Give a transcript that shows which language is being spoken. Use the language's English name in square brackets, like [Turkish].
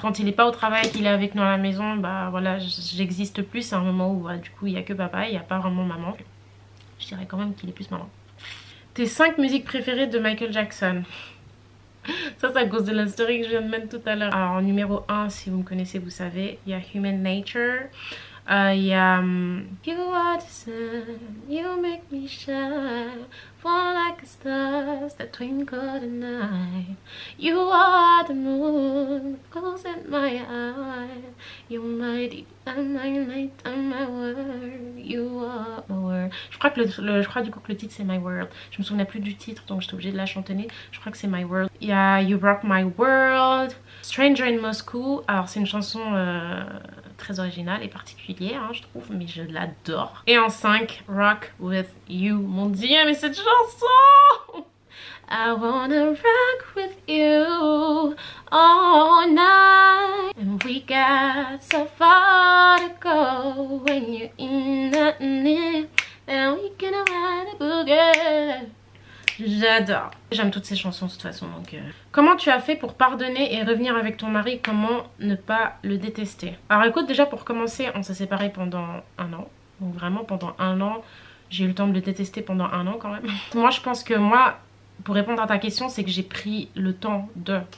[French] Quand il est pas au travail, qu'il est avec nous à la maison, bah voilà, j'existe plus. C'est un moment où, voilà, du coup, il y a que papa, il y a pas vraiment maman. Je dirais quand même qu'il est plus maman. Tes 5 musiques préférées de Michael Jackson? Ça, c'est à cause de l'instory que je viens de mettre tout à l'heure. Alors, en numéro 1, si vous me connaissez, vous savez, il y a Human Nature. Il y a [English] You are the sun, you make me shine, fall like a star that twinkle the night. You are the moon, close in my eye. You're my deep and my light and my world. You are my world. [French] Je crois du coup que le titre c'est My World. Je me souvenais plus du titre donc j'étais obligée de la chantonner. Je crois que c'est My World. Il y a You Rock My World, Stranger in Moscow. Alors c'est une chanson très originale et particulière, hein, je trouve, mais je l'adore. Et en 5, Rock With You. Mon dieu, mais cette chanson! [English] I wanna rock with you all night. And we got so far to go. When you're in that near, then we can ride a boogie. [French] J'adore. J'aime toutes ces chansons de toute façon. Donc, comment tu as fait pour pardonner et revenir avec ton mari? Comment ne pas le détester? Alors écoute, déjà pour commencer, on s'est séparés pendant un an. Donc vraiment pendant un an, j'ai eu le temps de le détester pendant un an quand même. Moi je pense que moi, pour répondre à ta question, c'est que j'ai pris le temps de...